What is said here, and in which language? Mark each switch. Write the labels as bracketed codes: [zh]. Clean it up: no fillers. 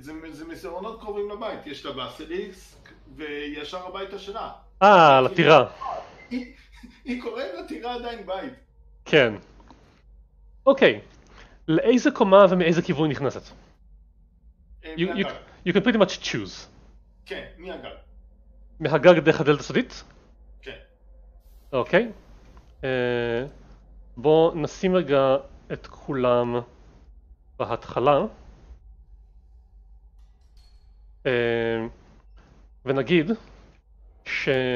[he] זה מסדרונות קרובים לבית, יש לה באסיליסק וישר הביתה שלה. על הטירה. היא קוראת לטירה עדיין בית. כן. אוקיי, לאיזה קומה ומאיזה כיוון נכנסת? [en] You can pretty much choose. [he] כן, מהגג. מהגג דרך הדלת הסודית? אוקיי, בואו נשים רגע את כולם בהתחלה ונגיד ש...